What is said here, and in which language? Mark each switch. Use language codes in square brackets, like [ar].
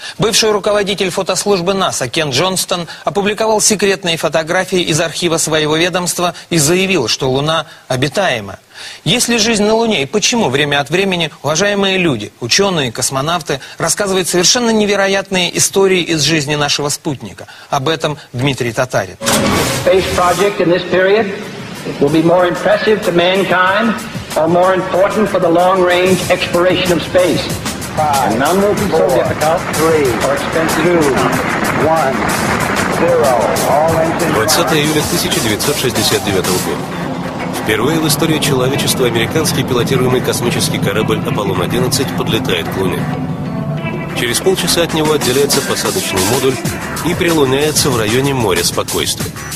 [ru] Бывший руководитель фотослужбы НАСА Кен Джонстон опубликовал секретные фотографии из архива своего ведомства и заявил, что Луна обитаема. Есть ли жизнь на Луне и почему время от времени уважаемые люди, ученые, космонавты рассказывают совершенно невероятные истории из жизни нашего спутника? Об этом Дмитрий Татарин. [en] Space project in this period will be more impressive to mankind or more important for the long-range exploration of space. And none will be so difficult, three, or expensive, two, one, zero. All engines. [ru] 20 июля 1969 года. Впервые в истории человечества американский пилотируемый космический корабль «Аполлон-11» подлетает к Луне. Через полчаса от него отделяется посадочный модуль и прилуняется в районе моря спокойствия.